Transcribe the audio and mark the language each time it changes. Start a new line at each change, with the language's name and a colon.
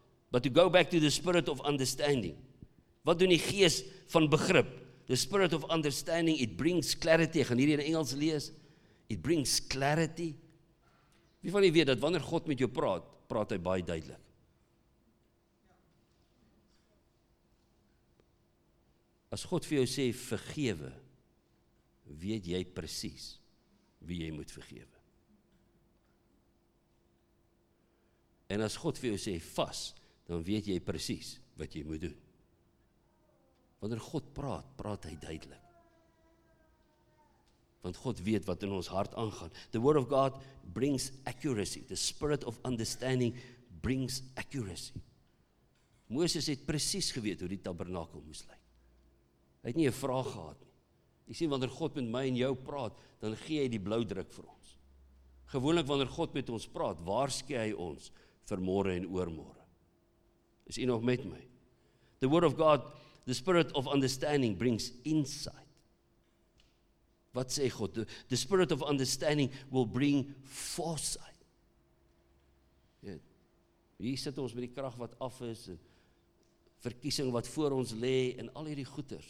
English: But to go back to the spirit of understanding.
Afrikaans: Wat doen die gees van begrip?
English: The spirit of understanding, it brings clarity.
Afrikaans: Ek gaan hierdie in Engels lees.
English: It brings clarity.
Afrikaans: Wie van jy weet dat wanneer God met jou praat, praat hy baie duidelik. As God vir jou sê vergewe, weet jy precies wie jy moet vergewe. En as God vir jou sê vas, dan weet jy precies wat jy moet doen. Wanneer God praat, praat hy duidelik. Want God weet wat in ons hart aangaan.
English: The word of God brings accuracy. The spirit of understanding brings accuracy.
Afrikaans: Moses het precies geweet hoe die tabernakel moes lyk. Hy het nie 'n vraag gehad nie. Jy sien, wanneer God met my en jou praat, dan gee hy die blauwdruk vir ons. Gewoonlik wanneer God met ons praat, waarskei hy ons vir môre en oormôre. Is u nog met my?
English: The word of God, the spirit of understanding brings insight.
Afrikaans: Wat sê God?
English: The spirit of understanding will bring foresight.
Afrikaans: Hier sit ons met die krag wat af is, en verkiesing wat voor ons lê, en al hierdie goeders.